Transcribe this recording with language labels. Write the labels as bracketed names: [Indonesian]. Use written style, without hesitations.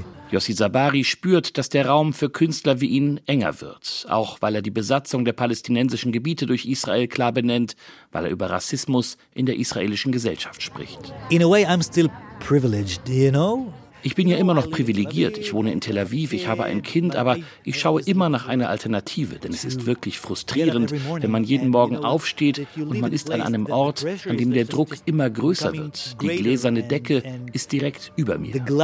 [German] Yossi Zabari spürt, dass der Raum für Künstler wie ihn enger wird. Auch weil er die Besatzung der palästinensischen Gebiete durch Israel klar benennt, weil er über Rassismus in der israelischen Gesellschaft spricht. [English] In a way I'm still privileged, you know? [German] Ich bin ja immer noch privilegiert. Ich wohne in Tel Aviv, ich habe ein Kind, aber ich schaue immer nach einer Alternative, denn es ist wirklich frustrierend, wenn man jeden Morgen aufsteht und man ist an einem Ort, an dem der Druck immer größer wird. Die gläserne Decke ist direkt über mir.